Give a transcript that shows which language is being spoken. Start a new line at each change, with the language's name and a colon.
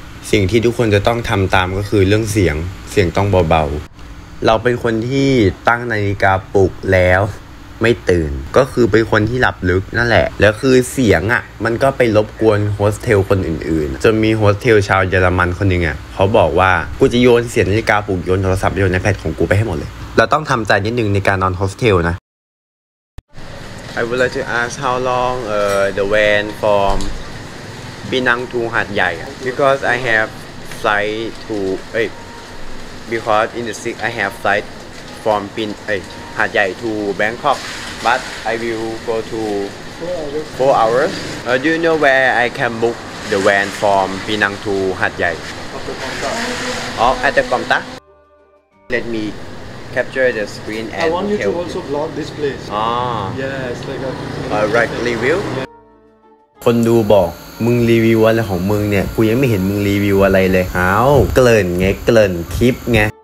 Thai: สิ่งที่ทุกคนจะต้องทำตามก็คือเรื่องเสียงเสียงต้องเบาๆเราเป็นคนที่ตั้งนาฬิกาปลุกแล้วไม่ตื่นก็คือเป็นคนที่หลับลึกนั่นแหละแล้วคือเสียงอ่ะมันก็ไปรบกวนโฮสเทลคนอื่นๆจนมีโฮสเทลชาวเยอรมันคนนึงอ่ะเขาบอกว่ากูจะโยนเสียงนาฬิกาปลุกโยนโทรศัพท์โยนไอแพดของกูไปให้หมดเลยเราต้องทำใจนิดนึงในการนอนโฮสเทลนะ
English: I would like to ask how long the van from Penang to Hat Yai because I have flight to because in the six I have flight from Hat Yai to Bangkok but I will go to 4 hours do you know where I can book the van from Penang to Hat Yai at the Komtak let me capture the screen and I want you to also vlog this place yes like a right review
Thai: คนดูบอกมึงรีวิวอะไรของมึงเนี่ยกูยังไม่เห็นมึงรีวิวอะไรเลยเอ้าเกริ่นไงเกริ่นคลิปไง